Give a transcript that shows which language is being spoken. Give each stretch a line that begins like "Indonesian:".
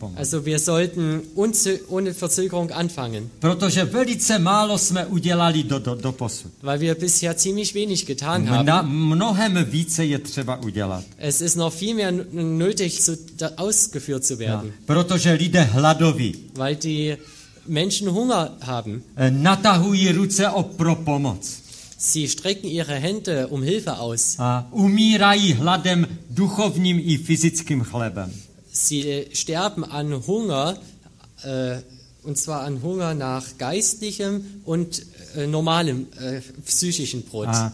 German: Also wir sollten ohne Verzögerung anfangen.
Czech: Protože velice málo jsme udělali do posud.
German: Weil wir bisher ziemlich wenig getan haben.
Czech: Mnohem více je třeba udělat.
German: Es ist noch viel mehr nötig ausgeführt zu werden. Ja.
Czech: Protože lidé hladoví.
German: Weil die Menschen Hunger haben.
Czech: Natahují ruce pro pomoc.
German: Sie strecken ihre Hände um Hilfe aus.
Czech: A umírají hladem duchovním i fyzickým chlebem.
German: Sie sterben an Hunger, und zwar an Hunger nach geistlichem und normalem psychischen Brot.